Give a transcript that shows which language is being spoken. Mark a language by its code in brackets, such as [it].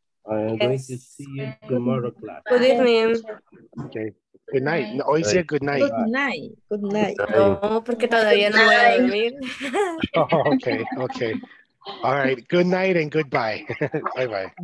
[en] I am going to see you tomorrow, class. Good evening. [es] Okay. Good night. No, hoy sí, [en] good night. Good night. Good night. [es] No, porque todavía no voy a dormir. [en] Oh, okay, okay. All right. Good night and goodbye. Bye-bye.